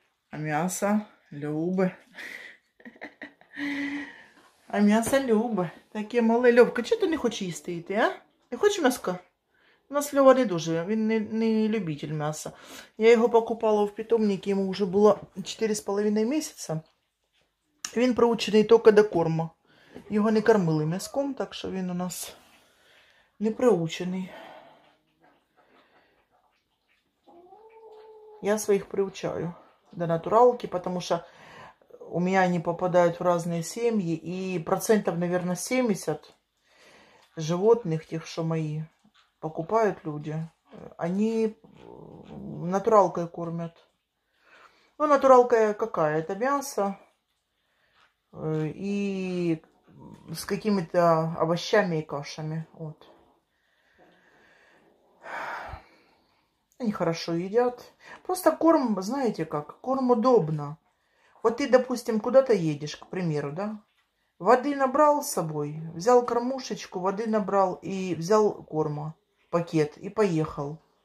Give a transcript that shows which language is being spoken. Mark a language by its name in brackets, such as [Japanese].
[Ukrainian] А мясо любе. А мясо любе. [Russian] Такие малые. Лёвка, что ты не хочешь есть ты, а? Не хочешь мяско? У нас Лёва [Ukrainian] не дуже. [Russian] Он не любитель мяса. Я его покупала в питомнике. Ему уже было 4,5 месяца. [Ukrainian] Він приучений [Russian] только до корма. [Ukrainian] Його не кормили м'яском, так що він у нас не приучений. Я своїх приучаю до натуралки, тому що у мене вони попадають в різні сім'ї. І процентів, мабуть, 70 животних, тих, що мої, покупають люди, вони натуралкою кормять. Ну, натуралка яка? Це м'ясо. [Russian] И с какими-то овощами и кашами. Вот. Они хорошо едят. Просто корм, знаете как, корм удобно. Вот ты, допустим, куда-то едешь, к примеру, да? Воды набрал с собой, взял кормушечку, воды набрал и взял корма, пакет, и поехал.